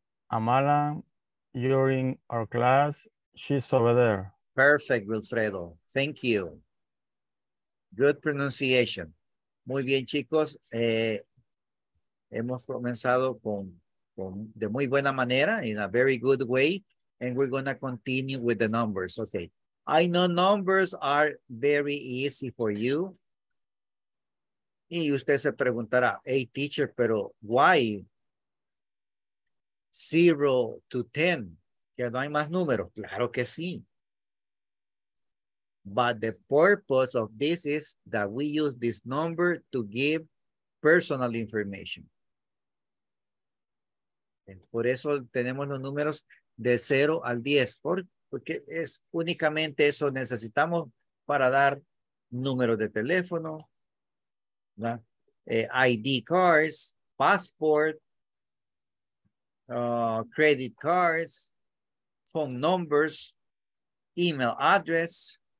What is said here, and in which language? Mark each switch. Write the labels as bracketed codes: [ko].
[en] Amalan. You're in our class. She's over there. Perfect, Wilfredo. Thank you. Good pronunciation. [es] Muy bien, chicos. Hemos comenzado con de muy buena manera, [en] in a very good way. And we're going to continue with the numbers. Okay. I know numbers are very easy for you. [es] Y usted se preguntará, [en] hey, teacher, [es] pero [en] why? [es] 0 to 10, ya no hay más números. Claro que sí. [en] But the purpose of this is that we use this number to give personal information. [es] Por eso tenemos los números de 0 al 10, porque es únicamente eso necesitamos para dar números de teléfono, ¿no? [en] ID cards, passport, credit cards, phone numbers, email address.